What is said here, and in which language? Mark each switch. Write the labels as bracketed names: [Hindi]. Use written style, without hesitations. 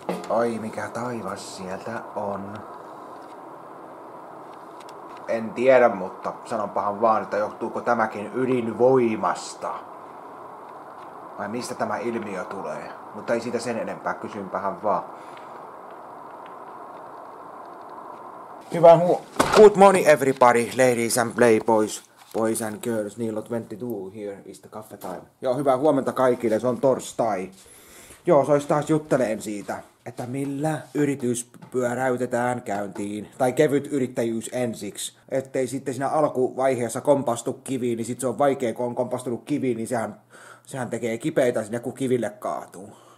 [Finnish] Ai mikä taivas sieltä on. En tiedä, mutta sanonpahan vaan, että johtuuko tämäkin ydinvoimasta. Vai mistä tämä ilmiö tulee? Mutta ei siitä sen enempää, kysynpähän vaan. [English] Hyvää good morning everybody, ladies and playboys, boys and girls, [Finnish] niillä on 22, [English] here is the cafe time. [Finnish] Joo, hyvää huomenta kaikille, se on torstai. Joo, sois taas jutteleen siitä, että millä yritys pyöräytetään käyntiin, tai kevyt yrittäjyys ensiksi. Ettei sitten siinä alkuvaiheessa kompastu kiviin, niin sit se on vaikea, kun on kompastunut kiviin, niin sehän tekee kipeitä sinne, kun kiville kaatuu.